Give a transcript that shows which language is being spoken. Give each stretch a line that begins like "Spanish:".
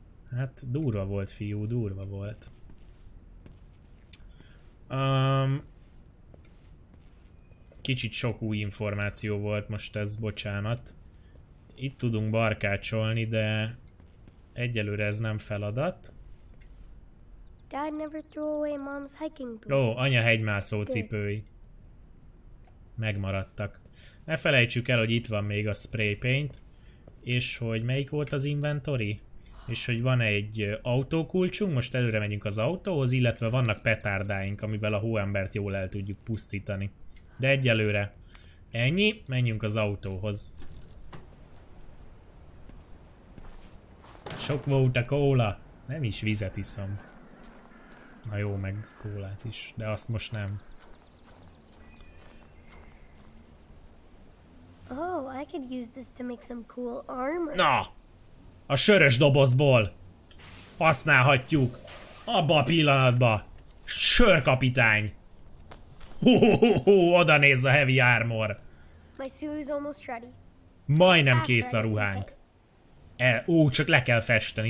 Hungarian: Hát durva volt, fiú, durva volt. Kicsit sok új információ volt most ez, bocsánat. Itt tudunk barkácsolni, de egyelőre ez nem feladat.
English: Dad never threw away mom's hiking boots.
Hungarian: Ó, anya hegymászó cipői. Megmaradtak. Ne felejtsük el, hogy itt van még a spray paint. És hogy melyik volt az inventory? És hogy van egy autókulcsunk, most előre megyünk az autóhoz, illetve vannak petárdáink, amivel a hóembert jól el tudjuk pusztítani. De egyelőre Ennyi, menjünk az autóhoz. Sok volt a kóla. Nem is vizet iszom. Na jó, meg kólát is, de azt most nem.
English: Oh, I could use this to make some cool armor. Na!
Hungarian: A sörös dobozból használhatjuk. Abba a pillanatba. Sörkapitány. Hú, oda néz a heavy armor.
English: My suit is almost ready.
Hungarian: Majdnem kész a ruhánk. Ó, csak le kell festeni.